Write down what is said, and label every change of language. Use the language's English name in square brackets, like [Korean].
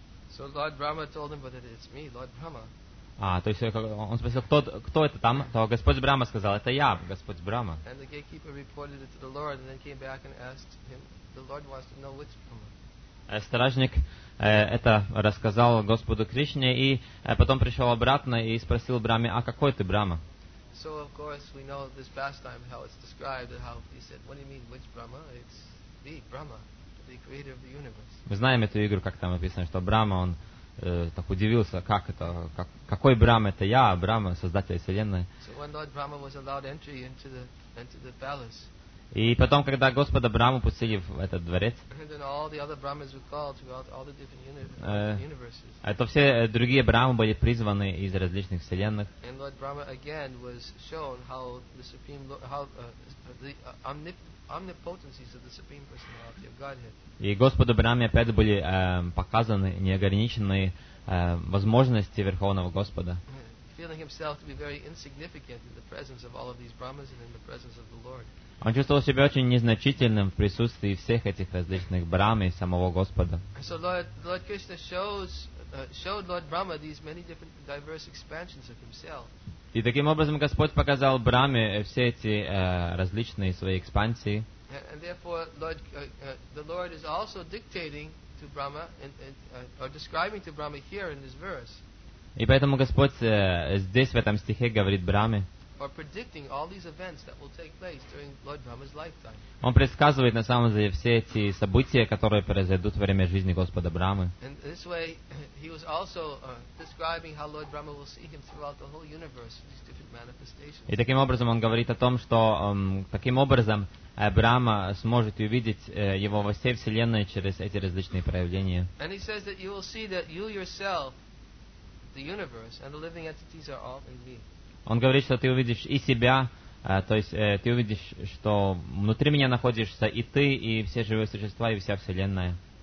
[English] So Lord Brahma told him, but it's me, Lord Brahma. [Russian] То есть он спросил, кто это там? То Господь Брама сказал, это я, Господь Брама. [English] And the gatekeeper reported it to the Lord, and then came back and asked him, the Lord wants to know which Brahma. [Russian] Стражник это рассказал Господу Кришне, и потом пришел обратно и спросил Браме, а какой ты Брама? [English] So of course we know this pastime how it's described, how he said, what do you mean, which Brahma? It's me, Brahma, the creator of the universe. [Russian] Мы знаем эту игру, как там описано, что Брама, он так удивился, как это, какой Брама это я, Брама, создатель вселенной. [English] So when Lord Brahma was allowed entry into the palace. [Russian] И потом, когда Господа Браму пустили в этот дворец, то все другие Брамы были призваны из различных вселенных. [English] And Lord Brahma again was shown how the supreme, how the omnipotencies of the supreme personality of Godhead. [Russian] И Господу Браме опять были показаны неограниченные возможности Верховного Господа. [English] Feeling himself to be very insignificant in the presence of all of these Brahmas and in the presence of the Lord. [Russian] Он чувствовал себя очень незначительным в присутствии всех этих различных Брахм и самого Господа. [English] So Lord Krishna showed Lord Brahma these many different diverse expansions of himself. [Russian] И таким образом Господь показал Брахме все эти различные свои экспансии. [English] And therefore, Lord, the Lord is also dictating to Brahma or describing to Brahma here in this verse. [Russian] И поэтому Господь здесь в этом стихе говорит Браме. [English] Or predicting all these events that will take place during Lord Brahma's lifetime. [Russian] Он предсказывает на самом деле все эти события, которые произойдут во время жизни Господа Брамы. [English] And this way, he was also describing how Lord Brahma will see him throughout the whole universe, these different manifestations. [Russian] И таким образом он говорит о том, что таким образом Брама сможет увидеть его во всей вселенной через эти различные проявления. [English] And he says that you will see that you yourself, the universe, and the living entities are all in me. [Russian] Он говорит, что ты увидишь и себя, то есть ты увидишь, что внутри меня находишься и ты, и все живые существа, и вся Вселенная.